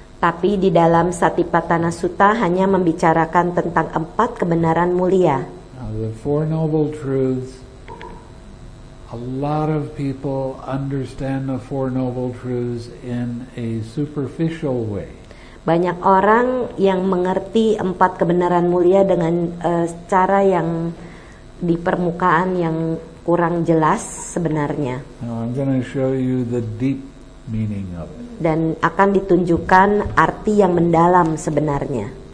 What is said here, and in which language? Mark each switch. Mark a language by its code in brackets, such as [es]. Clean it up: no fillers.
[id] Tapi di dalam Satipatthana Sutta hanya membicarakan tentang 4 kebenaran mulia. [en] Now, the Four Noble Truths. A lot of people understand the Four Noble Truths in a superficial way. [id] Banyak orang yang mengerti 4 kebenaran mulia dengan cara yang di permukaan yang kurang jelas sebenarnya. [en] Now I'm going to show you the deep meaning of it. [id] Dan akan ditunjukkan arti yang mendalam sebenarnya.